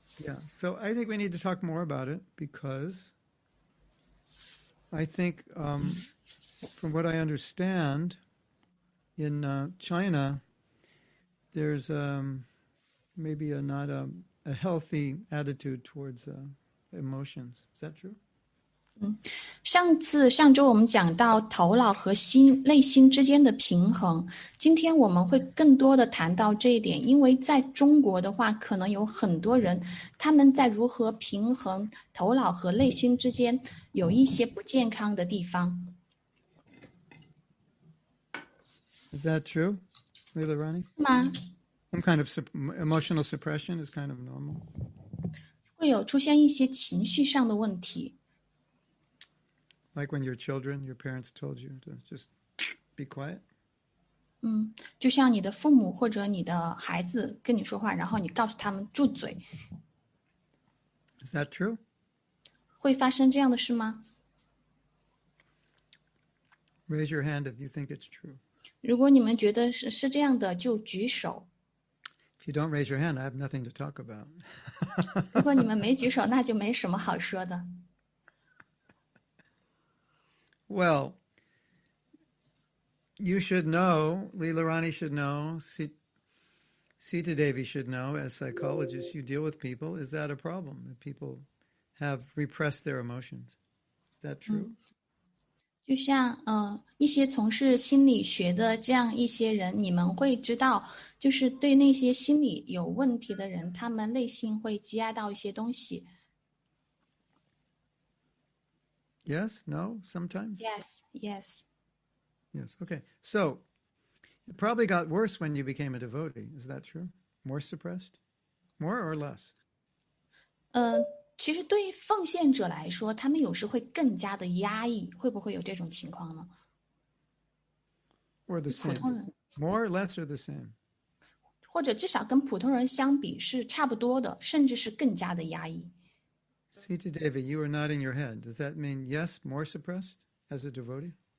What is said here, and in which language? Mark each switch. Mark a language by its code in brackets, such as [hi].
[en] Yeah, so I think we need to talk more about it because I think from what I understand, in China, there's a healthy attitude towards emotions. Is that true? [zh] 上周我们讲到头脑和心内心之间的平衡，今天我们会更多的谈到这一点，因为在中国的话，可能有很多人他们在如何平衡头脑和内心之间有一些不健康的地方。 [en] Is that true, Lila Rani? [zh] 是吗？ [en] Some kind of emotional suppression is kind of normal. [zh] 会有出现一些情绪上的问题。 [en] Like when your children, your parents told you to just be quiet. [zh] 就像你的父母或者你的孩子跟你说话，然后你告诉他们住嘴。 [en] Is that true? [zh] 会发生这样的事吗？ [en] Raise your hand if you think it's true. [zh] 如果你们觉得是这样的，就举手。 [en] If you don't raise your hand, I have nothing to talk about. [zh] 如果你们没举手，那就没什么好说的。 [en] Well, you should know, Lila Rani should know, Sita Devi should know, as psychologists, you deal with people. Is that a problem? That people have repressed their emotions. Is that true? [zh] 就像一些从事心理学的这样一些人，你们会知道，就是对那些心理有问题的人，他们内心会积压到一些东西。 [en] Yes, no, sometimes. Yes. Okay. So, it probably got worse when you became a devotee. Is that true? More suppressed? More or less? [zh] 其实对于奉献者来说，他们有时会更加的压抑，会不会有这种情况呢？ [en] Or the same. More or less or the same. [zh] 或者至少跟普通人相比是差不多的，甚至是更加的压抑。 [en] Sita Devi, you are nodding your head. Does that mean yes, more suppressed as a devotee?